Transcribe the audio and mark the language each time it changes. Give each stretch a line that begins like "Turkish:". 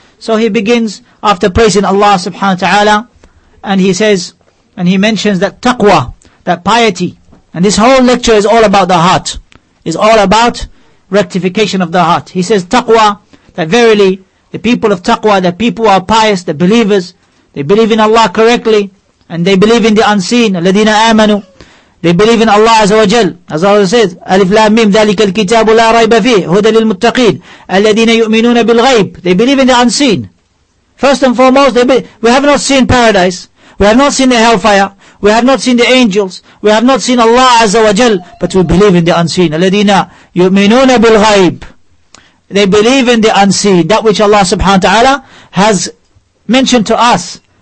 English: So he begins after praising Allah subhanahu wa ta'ala, and he says, and he mentions that taqwa, that piety, and this whole lecture is all about the heart, is all about rectification of the heart. He says taqwa, that verily the people of taqwa, the people who are pious, the believers, they believe in Allah correctly, and they believe in the unseen,
Arabic: الَّذِينَ آمَنُوا.
English: They believe in Allah Azza wa Jal. As Allah says,
Arabic: أَلِفْ لَا مِمْ ذَلِكَ الْكِتَابُ لَا رَيْبَ فِيهُ هُدَى لِلْمُتَّقِينَ الَّذِينَ يُؤْمِنُونَ بِالْغَيْبِ.
English: They believe in the unseen. First and foremost, we have not seen paradise. We have not seen the hellfire. We have not seen the angels. We have not seen Allah Azza wa Jal. But we believe in the unseen.
Arabic: الَّذِينَ يُؤْمِنُونَ بِالْغَيْبِ.
English: They believe in the unseen. That which Allah subhanahu wa ta'ala has mentioned to us.